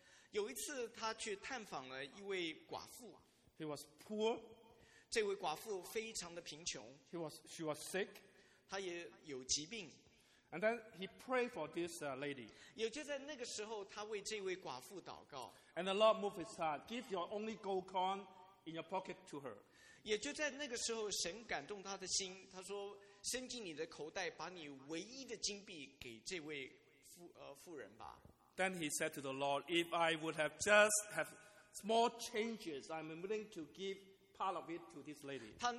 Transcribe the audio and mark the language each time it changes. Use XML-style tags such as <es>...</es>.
<zh>有一次，他去探访了一位寡妇。</zh> <en>He was poor.</en> <zh>这位寡妇非常的贫穷</zh> <en>She was sick</en> <zh>她也有疾病</zh> <en>And then he prayed for this lady</en> <zh>也就在那个时候她为这位寡妇祷告</zh> <en>And the Lord moved his heart Give your only gold coin in your pocket to her</en> <zh>也就在那个时候神感动她的心 她说伸进你的口袋把你唯一的金币给这位妇人吧</zh> <en>Then he said to the Lord If I would have just have small changes I'm willing to give part of it to this lady.</en>